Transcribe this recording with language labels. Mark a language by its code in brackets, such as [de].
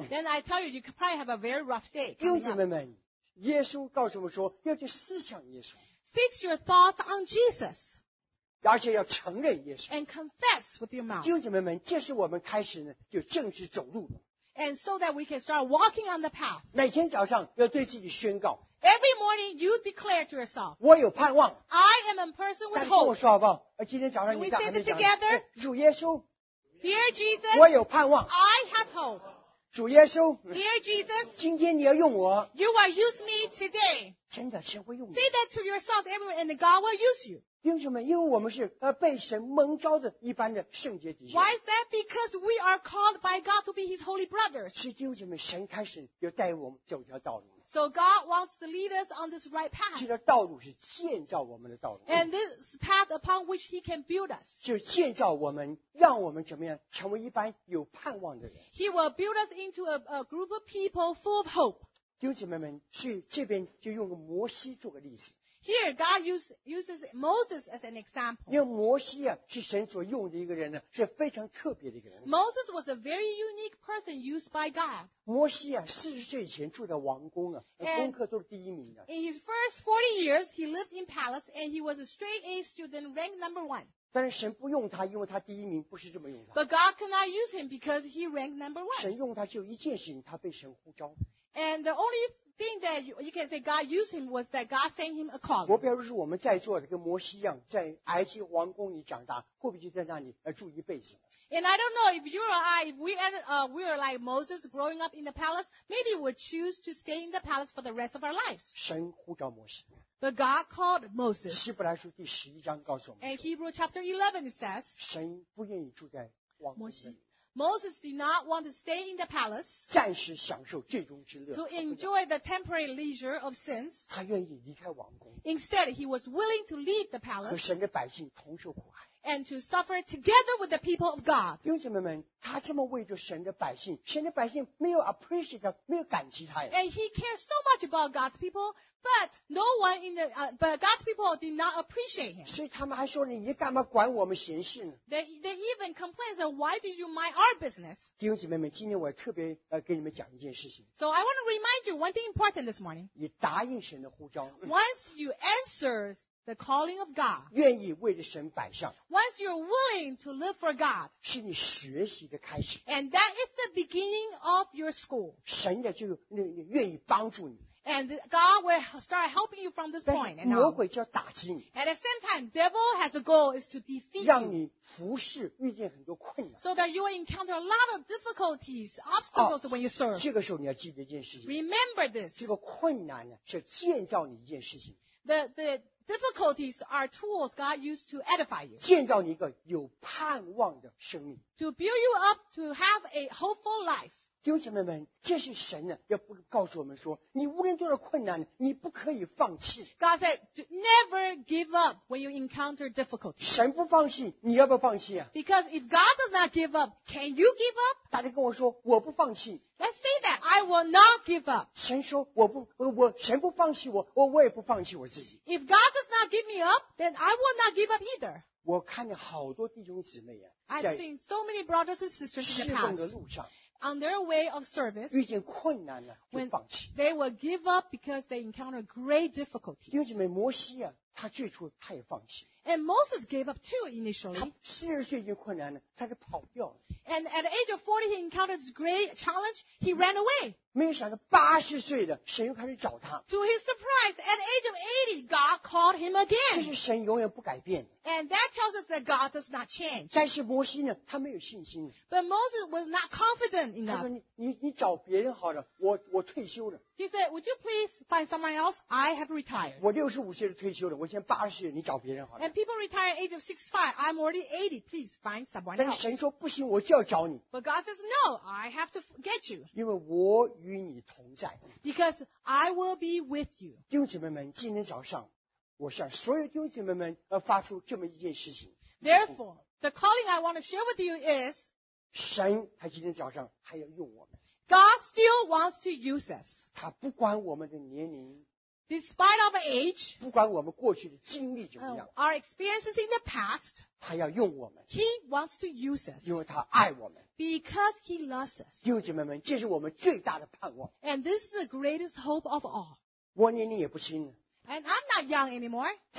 [en] Then I tell you, you could probably have a very rough day. [zh] 弟兄姐妹们。耶稣告诉我们说，要去思想耶稣。 [en] Fix your thoughts on Jesus. [zh] 而且要承认耶稣。 [en] And confess with your mouth. [zh] 弟兄姐妹们，这是我们开始呢，就正式走路了。 [en] And so that we can start walking on the path. [zh] 每天早上要对自己宣告。 [en] Every morning you declare to yourself. [zh] 我有盼望。 [en] I am a person with hope. [zh] 跟我说好不好？今天早上你在还没讲。 [en] We say it together. [zh] 主耶稣。 [en] Dear Jesus. [zh] 我有盼望。 [en] I have hope. [zh] 主耶稣 [en] Dear Jesus, [zh] 今天你要用我 [en] You will use me today [zh] 真的神会用我 [en] Say that to yourself everywhere and God will use you [zh] 因为什么因为我们是被神蒙召的一般的圣洁弟兄 [en] Why is that? Because we are called by God to be his holy brothers [zh] 是因为什么神开始要带我们走一条道路 [en] So God wants to lead us on this right path [zh] 这条道路是建造我们的道路 [en] And this path upon which he can build us [zh] 就是建造我们让我们怎么样成为一般有盼望的人 [en] He will build us into a group of people full of hope [zh] 弟兄姐妹们去这边就用个摩西做个例子 [en] Here God uses Moses as an example [zh] 因为摩西啊是神所用的一个人呢是非常特别的一个人 [en] Moses was a very unique person used by God [zh] 摩西啊40岁以前住在王宫啊功课都是第一名的 [en] In his first 40 years he lived in palace and he was a straight A student ranked number one [zh] 但是神不用他因为他第一名不是这么用他 [en] But God cannot use him because he ranked number one [zh] 神用他只有一件事情他被神呼召 [en] And the only thing that you can say God used him was that God sent him a call [zh] 我比如说我们在座的跟摩西一样在埃及王宫里长大会不会就在那里住一辈子 [en] And I don't know if you or I if we are like Moses growing up in the palace maybe we'll choose to stay in the palace for the rest of our lives [zh] 神呼召摩西 [en] But God called Moses. [zh] 希伯来书第十一章告诉我们。 [en] And Hebrew chapter 11 says. [zh] 神不愿意住在王宫里。 [en] Moses did not want to stay in the palace. [zh] 暂时享受最终之乐。 [en] To enjoy the temporary leisure of sins. [zh] 他愿意离开王宫。 [en] Instead, he was willing to leave the palace. [zh] 和神的百姓同受苦害。 [en] And to suffer together with the people of God. [zh] 弟兄姐妹们，他这么为着神的百姓，神的百姓没有 appreciate 他，没有感激他呀。 [en] And he cares so much about God's people, but no one in the but God's people did not appreciate him. [zh] 所以他们还说你干嘛管我们闲事呢 [en] ？They even complain, so why did you mind our business? [zh] 弟兄姐妹们，今天我特别给你们讲一件事情。 [en] So I want to remind you one thing important this morning. [zh] 你答应神的呼召。 [en] Once you answers. The calling of God. [zh] 愿意为着神摆上 [en] Once you're willing to live for God. [zh] 是你学习的开始 [en] And that is the beginning of your school. [zh] 神的就愿意帮助你 [en] And God will start helping you from this point. [zh] 魔鬼就要打击你 [en] At the same time, devil has a goal is to defeat you. [zh] 让你服侍遇见很多困难 [en] So that you will encounter a lot of difficulties, obstacles when you serve. [zh] 这个时候你要记得一件事情 [en] Remember this. [zh] 这个困难呢是建造你一件事情 [en] The difficulties are tools God used to edify you. [zh] 建造你一个有盼望的生命。 [en] To build you up to have a hopeful life. [zh] 弟兄姐妹们，这是神呢，要告诉我们说，你无论多少困难，你不可以放弃。 [en] God said, never give up when you encounter difficulty. [zh] 神不放弃，你要不要放弃啊？ [en] Because if God does not give up, can you give up? [zh] 大家跟我说，我不放弃。 [en] Let's say that I will not give up. [zh] 神说我不我神不放弃我，我也不放弃我自己。 [en] If God does not give me up, then I will not give up either. [zh] 我看见好多弟兄姊妹啊， [en] I've seen so many brothers and sisters in the past. [zh] 侍奉的路上， [en] on their way of service, [zh] 遇见困难了, [en] when they will give up because they encounter great difficulties. [zh] 弟兄姐妹, 摩西啊, 他最初, [en] and Moses gave up too initially. [zh] 他40岁遇见困难了, [en] and at the age of 40, he encountered this great challenge, he ran away. [zh] 没有想到80岁了, [en] to his surprise, at the age of 80, God called him again. [zh] 其实神永远不改变, [en] and that tells us that God does not change. [zh] 但是摩西呢, [en] but Moses was not confident enough. [zh] 他说你找别人好了, 我, [en] he said, would you please find someone else? I have retired. [zh] 我65岁就退休了, 我现在80岁, [en] and people retire at age of 65. I'm already 80. Please find someone else. [zh] 但神说不行, [en] but God says, no, I have to get you. [zh] 因为我与你同在, [en] because I will be with you. [zh] 弟兄姐妹们, 今天早上, 我向所有弟兄姐妹们, 发出这么一件事情, [en] therefore, the calling I want to share with you is [zh] 神还今天早上, [en] God still wants to use us. [zh] 他不管我们的年龄, [en] despite our age, [zh] 不管我们过去的经历怎么样, [en] our experiences in the past, [zh] 他要用我们, [en] He wants to use us. [zh] 因为他爱我们, [en] because He loves us. [zh] 弟兄姐妹们, 这是我们最大的盼望, [en] and this is the greatest hope of all. [zh] 我年龄也不轻了, [en] and I'm not young anymore.